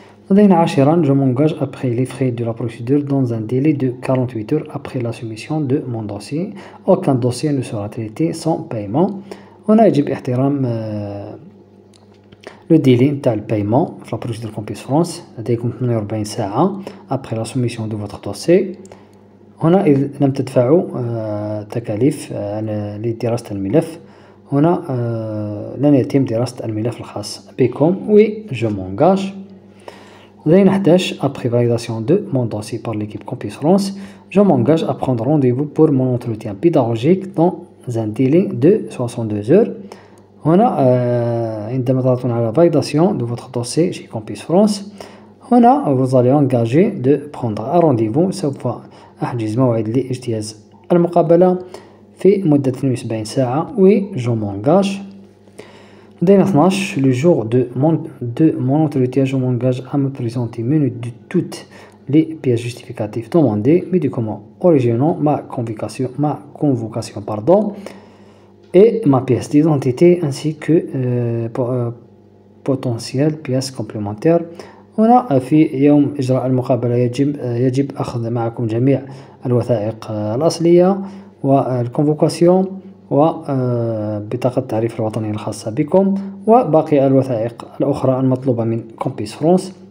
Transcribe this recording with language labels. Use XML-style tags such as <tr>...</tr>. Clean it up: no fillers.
<ar>لدينا عشرا</ar> <fr>je m'engage après les frais de la procédure dans un délai de 48 heures après la soumission de mon dossier. Aucun dossier ne sera traité sans paiement. On a</fr> <ar>يجب احترام</ar> <fr>le délai تاع paiement في la procédure Campus France.</fr> <ar>لديكم 48 ساعة</ar> <fr>après la soumission de votre dossier.</fr> <ar>هنا إذ لم تدفعوا تكاليف لدراسة الملف هنا لن يتم دراسة الملف الخاص بكم.</ar> <fr>Oui, je m'engage.</fr> <ar>لدينا 11</ar> <fr>après validation de mon dossier par l'équipe Campus France, je m'engage à prendre rendez-vous pour mon entretien pédagogique dans un délai de 62 heures.</fr> <ar>هنا عندما تضغطون على</ar> <fr>validation de votre dossier chez Campus France,</fr> <ar>هنا</ar> <fr>vous allez engager de prendre un rendez-vous,</fr> <ar>سوف أحجز موعد لاجتياز المقابلة في مدة 72 ساعة.</ar> <fr>Oui, je m'engage. Dès l'instant, le jour de mon entretien, je m'engage à me présenter minute de toutes les pièces justificatives demandées, médicaments originaux, ma convocation, pardon, et ma pièce d'identité, ainsi que potentielle pièce complémentaire.</fr> <ar>هنا في يوم إجراء المقابلة يجب أخذ معكم جميع الوثائق الأصلية والكونفوكاسيون وبطاقة التعريف الوطني الخاصة بكم وباقي الوثائق الأخرى المطلوبة من كومبيس فرونس.</ar>